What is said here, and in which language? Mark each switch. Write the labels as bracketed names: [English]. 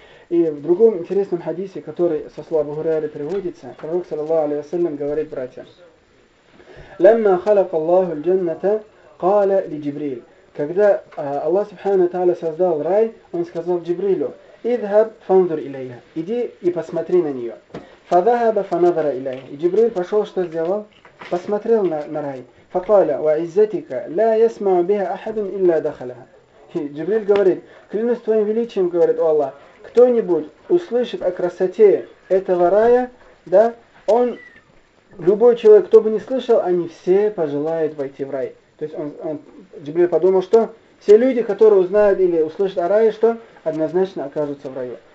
[Russian] И в другом интересном хадисе, который со слов Абу Хурайры приводится, пророк, саллаллаху алейхи ва саллям, говорит братьям, [Arabic] «Лямма халака Аллаху ль-джанната, каля ли Джибриль». [Russian] Когда Аллах Субхану Та'аля создал рай, он сказал Джибрилю, [Arabic] «Идхаб фандур илейха», [Russian] «Иди и посмотри на нее». [Arabic] فذهب فنظر إليه. جبريل [Russian] пошёл, что сделал? Посмотрел на рай. [Arabic] فقال وعزتك لا يسمع بها أحد إلا دخلها. [Russian] Джибриль говорит: "Клянусь твоим величием, говорит о Аллах, кто-нибудь услышит о красоте этого рая, да? Он любой человек, кто бы ни слышал, они все пожелают войти в рай". То есть он Джибриль подумал, что все люди, которые узнают или услышат о рае, что однозначно окажутся в раю.